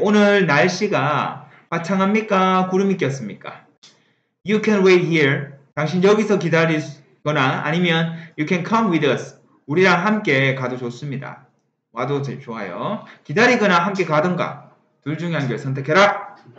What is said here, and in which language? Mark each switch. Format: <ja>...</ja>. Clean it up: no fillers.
<ko>오늘 날씨가 화창합니까? 구름이 꼈습니까?</ko> <en>You can wait here.</en> <ko>당신 여기서 기다리거나 아니면</ko> <en>You can come with us.</en> <ko>우리랑 함께 가도 좋습니다. 와도 좋아요. 기다리거나 함께 가든가 둘 중에 한 개 선택해라.</ko>